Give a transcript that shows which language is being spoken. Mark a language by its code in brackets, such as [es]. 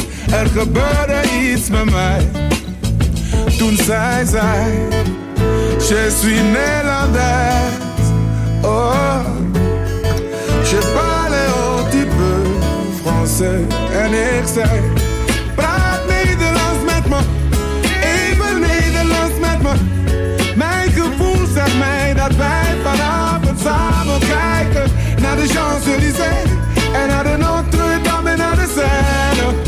[nl] Er gebeurde iets met mij. Toen zij zei zij: [fr] Je suis Nederlands. Oh, je parle un petit peu français. [nl] En ik zei: Praat Nederlands met me. Even Nederlands met me. Mijn gevoel zegt mij dat wij vanavond samen kijken naar de Champs-Élysées en naar de Notre-Dame en naar de Seine.